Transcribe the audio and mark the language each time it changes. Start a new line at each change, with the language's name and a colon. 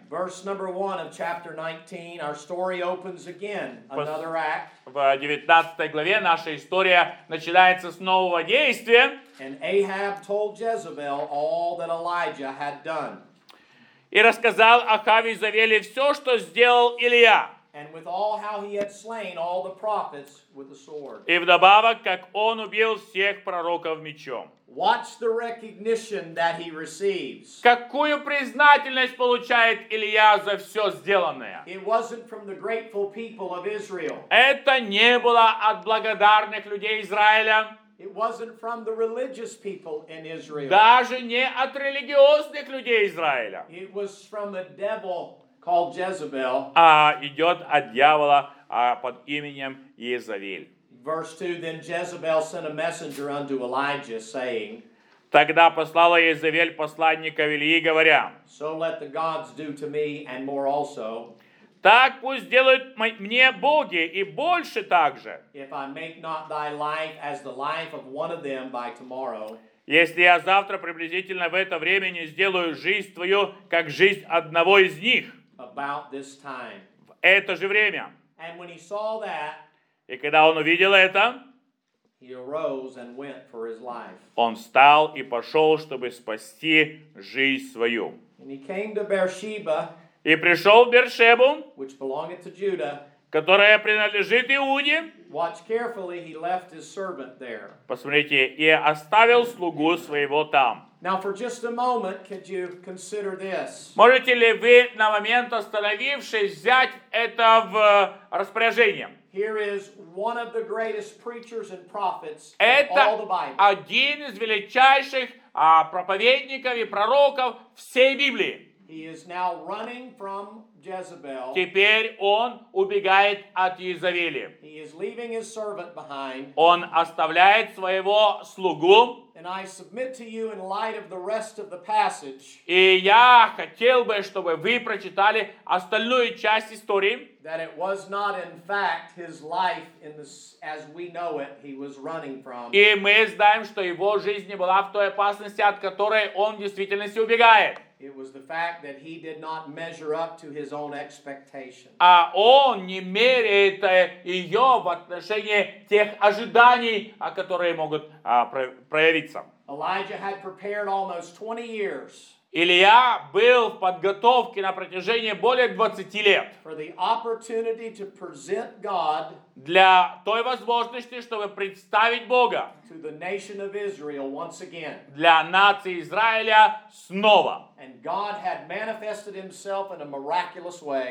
English: Verse number 1 of chapter 19, our story opens again, another act.
Russian: В 19 главе наша история начинается с нового действия.
English: And Ahab told Jezebel all that Elijah had done.
Russian: И рассказал Ахаве Изавеле все, что сделал Илия.
English: And with all how he had slain all the prophets with the sword.
Russian: И вдобавок, как он убил всех пророков мечом.
English: Watch the recognition that he receives.
Russian: Какую признательность получает Илия за все сделанное?
English: It wasn't from the grateful people of Israel.
Russian: Это не было от благодарных людей Израиля.
English: It wasn't from the religious people in Israel.
Russian: Даже не от религиозных людей Израиля.
English: It was from the devil called Jezebel.
Russian: А идет от дьявола под именем Иезавель.
English: Verse 2, then Jezebel sent a messenger unto Elijah, saying,
Russian: тогда послала Иезавель посланника Ильи, говоря,
English: so let the gods do to me and more also.
Russian: Так пусть делают мне боги и больше также.
English: If I make not thy life as the life of one of them by tomorrow.
Russian: Если я завтра приблизительно в это время не сделаю жизнь твою, как жизнь одного из них.
English: About this time.
Russian: В это же время.
English: And when he saw that,
Russian: и когда он увидел это,
English: he arose and went for his life.
Russian: Он встал и пошел, чтобы спасти жизнь свою.
English: And he came to Beersheba,
Russian: и пришел в Бершебу,
English: which belonged to Judah,
Russian: которая принадлежит Иуде.
English: Watch carefully, he left his servant there.
Russian: Посмотрите, и оставил слугу своего там.
English: Now for just a moment, could you consider this?
Russian: Можете ли вы на момент остановившись взять это в распоряжение?
English: Here is one of the greatest preachers and prophets in all the Bible.
Russian: Это один из величайших проповедников и пророков всей Библии.
English: He is now running from Jezebel.
Russian: Теперь он убегает от Иезавели.
English: He is leaving his servant behind.
Russian: Он оставляет своего слугу.
English: And I submit to you in light of the rest of the passage.
Russian: И я хотел бы, чтобы вы прочитали остальную часть истории.
English: That it was not in fact his life in the, as we know it, he was running from.
Russian: И мы знаем, что его жизнь не была в той опасности, от которой он в действительности убегает.
English: It was the fact that he did not measure up to his own expectations.
Russian: А он не меряет ее в отношении тех ожиданий, которые могут проявиться.
English: Elijah had prepared almost 20 years.
Russian: Илия был в подготовке на протяжении более 20 лет.
English: For the opportunity to present God
Russian: для той возможности, чтобы представить Бога
English: to the nation of Israel once again.
Russian: Для нации Израиля снова.
English: And God had manifested himself in a miraculous way.